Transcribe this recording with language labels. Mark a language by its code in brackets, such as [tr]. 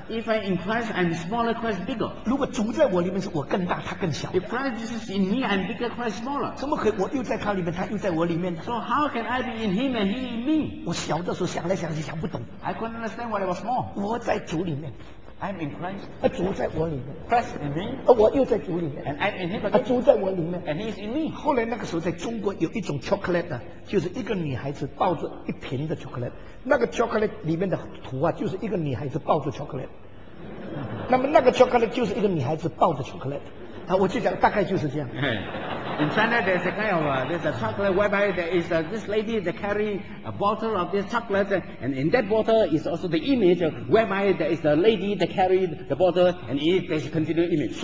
[en] If I'm in Christ, I'm smaller, Christ bigger. [zh] 如果主在我里面，是我更大，他更小。 [en] If Christ is in me, I'm bigger, Christ smaller. [zh] 怎么可以？我又在他里面，他又在我里面 [en] ？So how can I be in him and he in me? [zh] 我小的时候想来想去想不懂。 [en] I couldn't understand what I was small. [zh] 我在主里面。 [en] I'm in Christ. [zh] 啊，主在我里面。 [en] Christ in me. [zh] 啊，我又在主里面。 [en] And I'm in him. [zh] 啊，主在我里面。 [en] And he is in me. [zh] 后来那个时候在中国有一种 chocolate， 就是一个女孩子抱着一瓶的 chocolate， 那个 chocolate 里面的图啊，就是一个女孩子抱着 chocolate。那么那个 chocolate 就是一个女孩子抱着 chocolate。啊，我就讲大概就是这样。 [en] In China, there's a kind of there's a chocolate whereby there is this lady that carry a bottle of this chocolate, and in that bottle is also the image whereby there is a lady that carried the bottle, and it is a continual image.